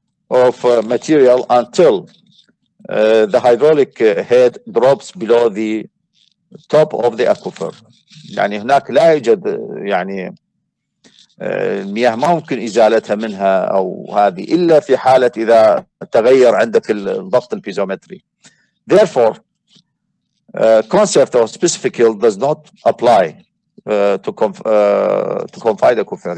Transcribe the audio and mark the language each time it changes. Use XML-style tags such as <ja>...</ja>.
<en>of material until the hydraulic head drops below the top of the aquifer.</en> <ar>يعني هناك لا يوجد يعني المياه ما ممكن إزالتها منها أو هذه إلا في حالة إذا تغير عندك الضغط البيزومتري.</ar> <en>Therefore, concept of specific yield does not apply to confined aquifer.</en>